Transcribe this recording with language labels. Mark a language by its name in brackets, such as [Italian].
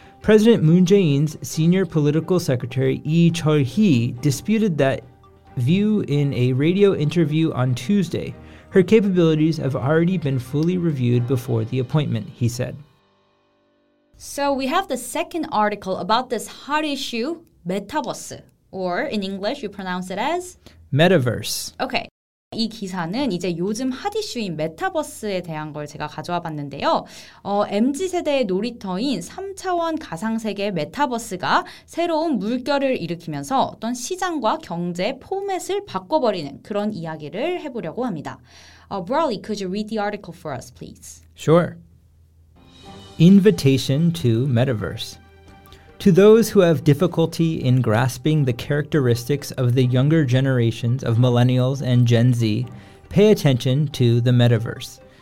[English] President Moon Jae-in's senior political secretary Lee Chol-hee disputed that view in a radio interview on Tuesday. Her capabilities have already been fully reviewed before the appointment, he said. So we have the second article about this hot issue, Metaverse, or in English, you pronounce it as? Metaverse. Okay. [Korean] 이 기사는 이제 요즘 핫 이슈인 메타버스에 대한 걸 제가 가져와 봤는데요. MZ세대의 놀이터인 3차원 가상세계 메타버스가 새로운 물결을 일으키면서 어떤 시장과 경제 포맷을 바꿔버리는 그런 이야기를 해보려고 합니다. [English] Broly, could you read the article for us, please? Sure. Invitation to Metaverse. To those who have difficulty in grasping the characteristics of the younger generations of millennials and Gen Z, pay attention to the metaverse.